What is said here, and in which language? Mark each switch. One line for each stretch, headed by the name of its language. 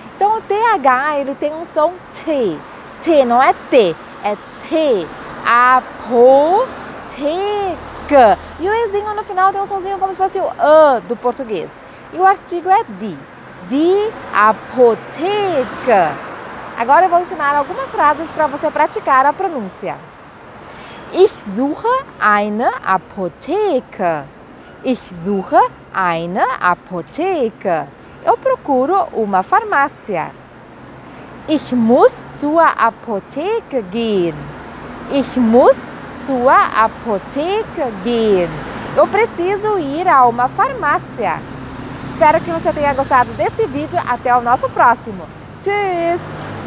Portuguese: Então o TH ele tem um som T, T não é T, é T, Apotheke. E o Ezinho no final tem um sonzinho como se fosse o A do português. E o artigo é di, di Apotheke. Agora eu vou ensinar algumas frases para você praticar a pronúncia.
German: Ich suche eine Apotheke. Ich suche eine Apotheke.
Portuguese: Eu procuro uma farmácia.
German: Ich muss zur Apotheke gehen. Ich muss zur Apotheke gehen.
Portuguese: Eu preciso ir a uma farmácia. Espero que você tenha gostado desse vídeo. Até o nosso próximo. Tschüss!